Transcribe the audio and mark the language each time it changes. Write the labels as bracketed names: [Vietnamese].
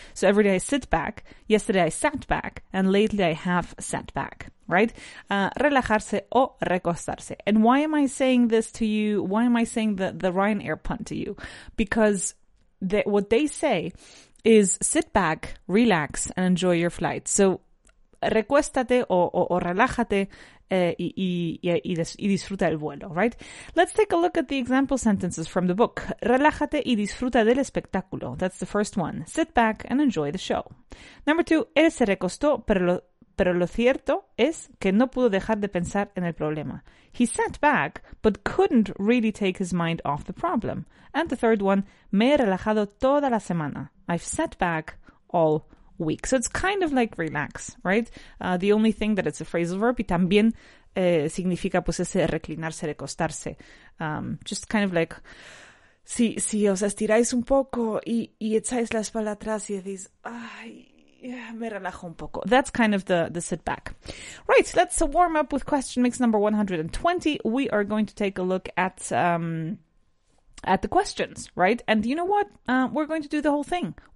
[English] So every day I sit back, yesterday I sat back, and lately I have sat back, right? [Spanish] Relajarse o recostarse. [English] And why am I saying this to you? Why am I saying the Ryanair pun to you? Because what they say is sit back, relax, and enjoy your flight. [Spanish] So, recuéstate o relájate y disfruta el vuelo, [English] right? Let's take a look at the example sentences from the book. [Spanish] Relájate y disfruta del espectáculo. [English] That's the first one. Sit back and enjoy the show. [Spanish] Number 2, él se recostó, pero lo cierto es que no pudo dejar de pensar en el problema. [English] He sat back, but couldn't really take his mind off the problem. And the third one, [Spanish] me he relajado toda la semana. [English] I've sat back all week. So it's kind of like relax, right? The only thing that it's a phrasal verb, [Spanish] y también significa pues ese reclinarse, recostarse. [English] Just kind of like, [Spanish] si os estiráis un poco y echáis la espalda atrás y decís, ay, me relajo un poco. [English] That's kind of the sit back. Right, let's warm up with question mix number 120. We are going to take a look at the questions, right? And you know what? We're going to do the whole thing.